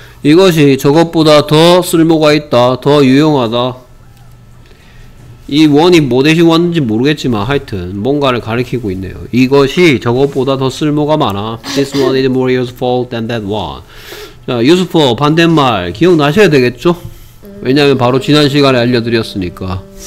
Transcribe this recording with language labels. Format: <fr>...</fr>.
<ko>이것이 저것보다 더 쓸모가 있다. 더 유용하다. 이 원이 뭐 대신 왔는지 모르겠지만 하여튼 뭔가를 가리키고 있네요. 이것이 저것보다 더 쓸모가 많아.</ko> <en>This one is more useful than that one.</en> <ko>자, useful 반대말 기억나셔야 되겠죠? 왜냐하면 바로 지난 시간에 알려드렸으니까.</ko>